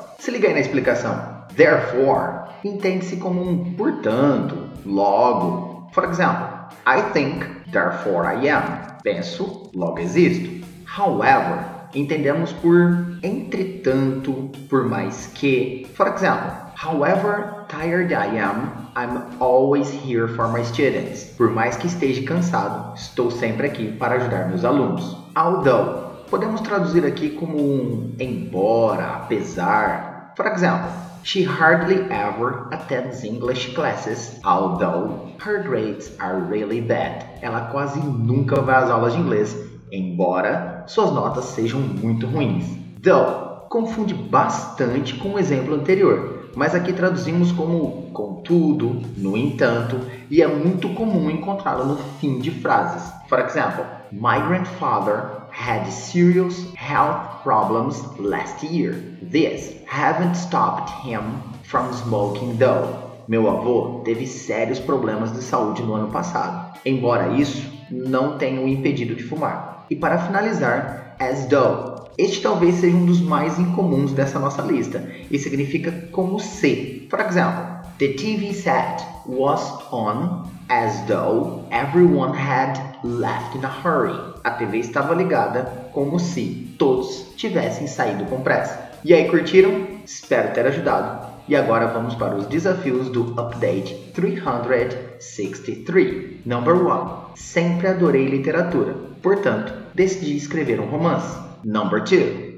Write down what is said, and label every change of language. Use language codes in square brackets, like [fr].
[pt] Se liga aí na explicação. Therefore, entende-se como um portanto, logo. [en] For example, I think, therefore I am. [pt] Penso, logo existo. However, entendemos por entretanto, por mais que. [en] For example, however tired I am, I'm always here for my students. [pt] Por mais que esteja cansado, estou sempre aqui para ajudar meus alunos. Although, podemos traduzir aqui como um embora, apesar. [en] For example, she hardly ever attends English classes, although her grades are really bad. [pt] Ela quase nunca vai às aulas de inglês, embora suas notas sejam muito ruins. Though confunde bastante com o exemplo anterior, mas aqui traduzimos como contudo, no entanto, e é muito comum encontrá-lo no fim de frases. [en] For example, my grandfather had serious health problems last year. This haven't stopped him from smoking though. [pt] Meu avô teve sérios problemas de saúde no ano passado. Embora isso, não tenha o impedido de fumar. E para finalizar, as though. Este talvez seja um dos mais incomuns dessa nossa lista e significa como se. [en] For example, the TV set was on as though everyone had left in a hurry. [pt] A TV estava ligada como se todos tivessem saído com pressa. E aí, curtiram? Espero ter ajudado. E agora vamos para os desafios do Update 363. [en] Number 1. [pt] Sempre adorei literatura, portanto, decidi escrever um romance. [en] Number 2.